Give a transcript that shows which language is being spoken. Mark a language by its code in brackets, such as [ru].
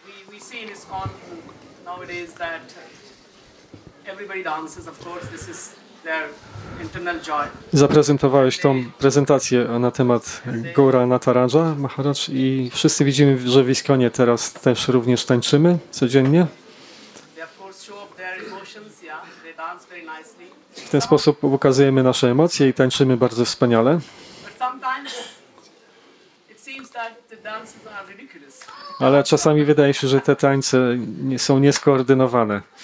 [en] We see in ISKCON nowadays that everybody dances, of course, this is their internal joy. [pl] Zaprezentowałeś tą prezentację na temat Gora Nataraja Maharaj i wszyscy widzimy, że w ISKCONie teraz też również tańczymy codziennie. [en] They of course show up their emotions, yeah, they dance very nicely. [pl] W ten sposób pokazujemy nasze emocje i tańczymy bardzo wspaniale. [en] But sometimes it seems that the dances are ridiculous. [pl] Ale czasami wydaje się, że te tańce są nieskoordynowane.